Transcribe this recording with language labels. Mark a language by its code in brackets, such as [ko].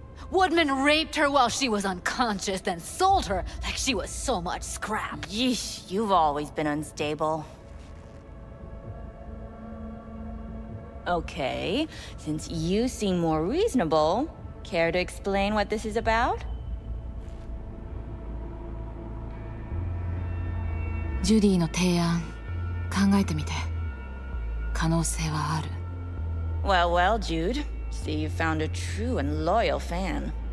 [en] Woodman raped her while she was unconscious, then sold her like she was so much scrap. Yeesh, you've always been unstable. Okay, since you seem more reasonable, care to explain what this is about? [ja] ジュディの提案、考えてみて。可能性はある。 [en] Well, well, Jude. See you found a true and loyal fan.